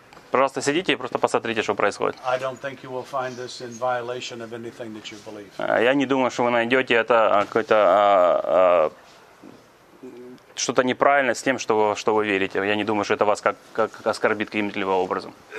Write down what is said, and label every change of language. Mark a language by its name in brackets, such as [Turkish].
[Russian] Просто сидите и просто посмотрите, что происходит. [English] I don't think you will find this in violation of anything that you believe. [Russian] Я не думаю, что вы найдете это какой-то что-то неправильно с тем, что, что вы верите. Я не думаю, что это вас как оскорбит каким-либо образом.